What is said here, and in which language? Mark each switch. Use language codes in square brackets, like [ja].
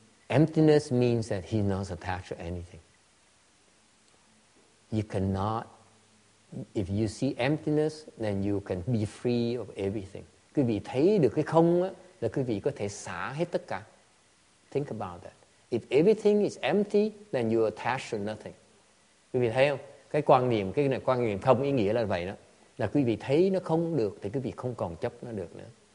[en] Emptiness means that he's not attached to anything. You cannot, if you see emptiness, then you can be free of everything. [vi] Quý vị thấy được cái không á, là quý vị có thể xả hết tất cả. [en] Think about that. If everything is empty, then you're attached to nothing. [vi] Quý vị thấy không? Cái quan niệm không ý nghĩa là vậy đó. Là quý vị thấy nó không được, thì quý vị không còn chấp nó được nữa.